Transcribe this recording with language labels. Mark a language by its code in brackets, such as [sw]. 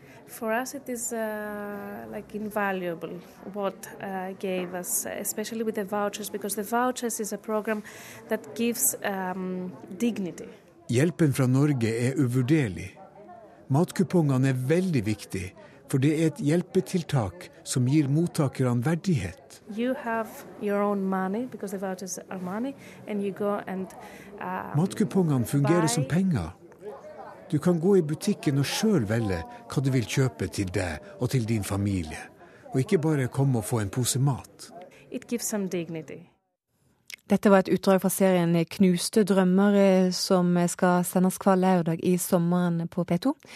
[en] For us it is invaluable what gave us, especially with the vouchers, because the vouchers is a program that gives dignity. [no] Hjelpen fra Norge er uvurderlig. Matkupongene er veldig viktige, for det er et hjelpetiltak som gir mottakerne verdighet. [en] You have your own money, because the vouchers are money, and you go and [no] matkupongene fungerer som penger. Du kan gå i butikken og selv velge hva du vil kjøpe til deg og til din familie, og ikke bare komme og få en pose mat. [en] It gives some dignity. [no] Dette var et utdrag fra serien Knuste drømmer, som skal sendes hver lørdag i sommeren på P2.